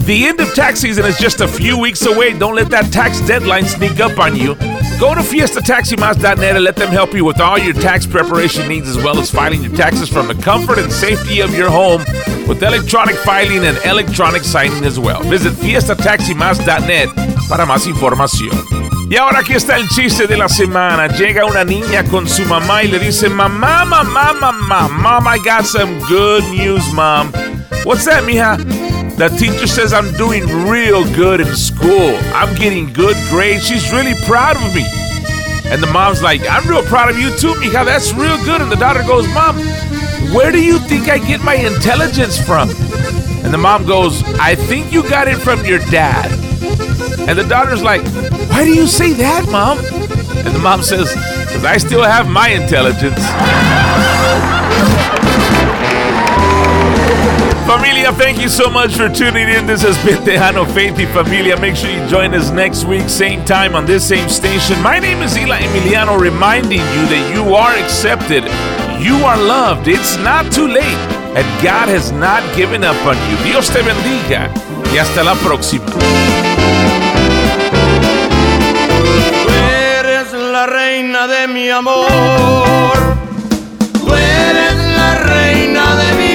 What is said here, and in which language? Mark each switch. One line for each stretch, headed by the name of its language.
English: The end of tax season is just a few weeks away. Don't let that tax deadline sneak up on you. Go to FiestaTaxiMas.net and let them help you with all your tax preparation needs, as well as filing your taxes from the comfort and safety of your home with electronic filing and electronic signing as well.
Spanish: Visit FiestaTaxiMas.net para más información. Y ahora aquí está el chiste de la semana. Llega una niña con su mamá y le dice, mamá, mamá, mamá,
English: mom, I got some good news, mom. What's that,
Spanish: mija?
English: The teacher says I'm doing real good in school. I'm getting good grades. She's really proud of me. And the mom's like, I'm real proud of you too, mija. That's real good. And the daughter goes, mom, where do you think I get my intelligence from? And the mom goes, I think you got it from your dad. And the daughter's like, why do you say that, mom? And the mom says, because I still have my intelligence. Familia, thank you so much for tuning in. This has been Tejano Faith y Familia. Make sure you join us next week, same time on this same station. My name is Eli Emiliano, reminding you that you are accepted. You are loved. It's not too late. And God has not given up on you.
Spanish: Dios te bendiga. Y hasta la próxima. Tú eres la reina de mi amor. Tú eres la reina de mi amor.